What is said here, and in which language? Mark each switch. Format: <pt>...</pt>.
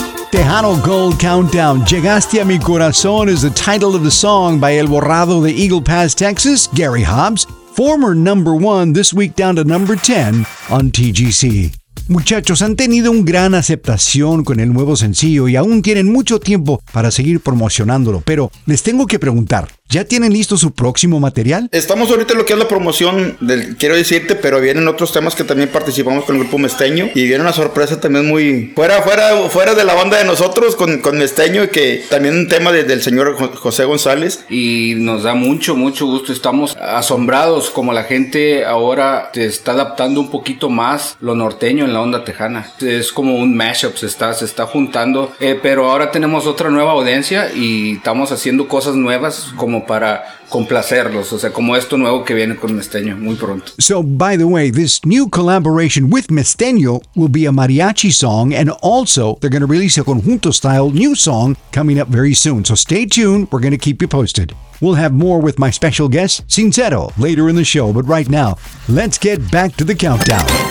<en>Tejano Gold Countdown, Llegaste a mi Corazón is the title of the song by El Borrado de Eagle Pass, Texas, Gary Hobbs, former number one, this week down to number 10 on TGC.</en> <es>Muchachos, han tenido una gran aceptación con el nuevo sencillo y aún tienen mucho tiempo para seguir promocionándolo, pero les tengo que preguntar, ¿ya tienen listo su próximo material? Estamos ahorita en lo que es la promoción del Quiero Decirte, pero vienen otros temas que también participamos con el grupo Mesteño y viene una sorpresa también muy fuera de la banda de nosotros con Mesteño, que también un tema del señor José González. Y nos da mucho gusto, estamos asombrados como la gente ahora se está adaptando un poquito más lo norteño en la onda tejana. Es como un mashup, se está juntando, pero ahora tenemos otra nueva audiencia y estamos haciendo cosas nuevas como para complacerlos, o sea, como esto nuevo que viene con Mesteño muy pronto.</es> <en>So, by the way, this new collaboration with Mesteño will be a mariachi song, and also they're going to release a conjunto style new song coming up very soon. So stay tuned, we're going to keep you posted. We'll have more with my special guest, Sincero, later in the show, but right now, let's get back to the countdown.</en>